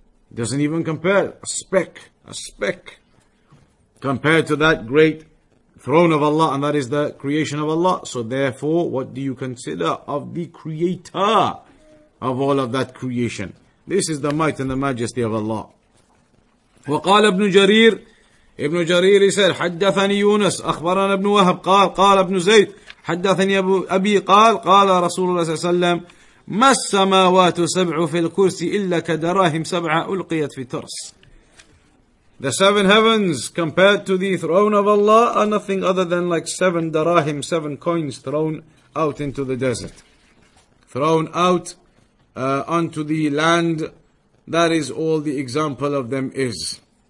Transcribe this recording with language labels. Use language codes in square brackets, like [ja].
[en] It doesn't even compare. A speck. Compared to that great throne of Allah, and that is the creation of Allah. So therefore, what do you consider of the creator of all of that creation? This is the might and the majesty of Allah. [ar] وقال ابن جرير ابن جرير يسأل حدثني يونس أخبرنا ابن وهب قال ابن زيد حدثني أبي قال رسول الله صلى الله عليه وسلم ما السماوات سبع في الكرسي إلا كدراهم سبعة ألقيت في ترس. [en] The seven heavens compared to the throne of Allah are nothing other than like seven dirham, seven coins thrown out into the desert. Thrown out onto the land, that is all the example of them is.